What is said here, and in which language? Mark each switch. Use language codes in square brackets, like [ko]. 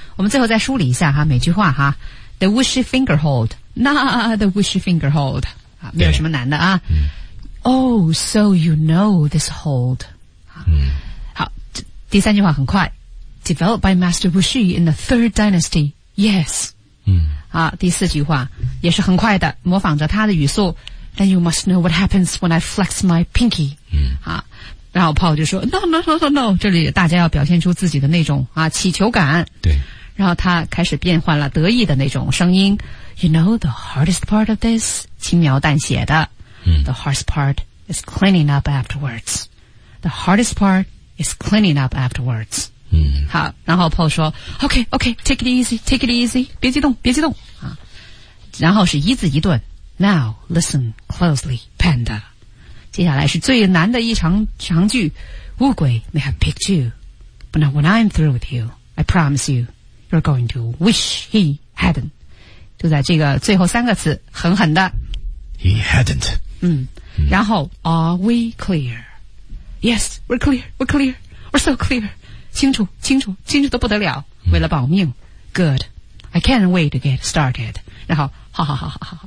[zh] 我们最后再梳理一下哈，每句话哈 ， [en] The wishy finger hold, [zh] not the wishy finger hold 啊，没有什么难的啊。 [en] Oh, so you know this hold. [zh] 第三句话很快 [en] ，developed by Master Wuxi in the Third Dynasty. Yes. [zh] 好，第四句话也是很快的，模仿着他的语速。 [en] Then you must know what happens when I flex my pinky. [zh] 好，然后 Paul 就说 No. 这里大家要表现出自己的那种啊乞求感。对。然后他开始变换了得意的那种声音。 [en] You know the hardest part of this? [zh] 轻描淡写的。 [en] The hardest part is cleaning up afterwards. The hardest part. Is cleaning up afterwards. [zh] 好，然后 [en] Paul 说 OK, take it easy, [zh] 别激动。然后是一字一顿 [en] Now, listen closely, Panda. [zh] 接下来是最难的一长句 [en] Wuge may have picked you, but now when I'm through with you, I promise you, you're going to wish he hadn't. [zh] 就在这个最后三个词，狠狠的。 [en] He hadn't. [zh] 然后 [en] Are we clear? Yes, we're clear. We're so clear. [zh] 清楚得不得了。为了保命。Good. [en] I can't wait to get started. [zh] 然后好。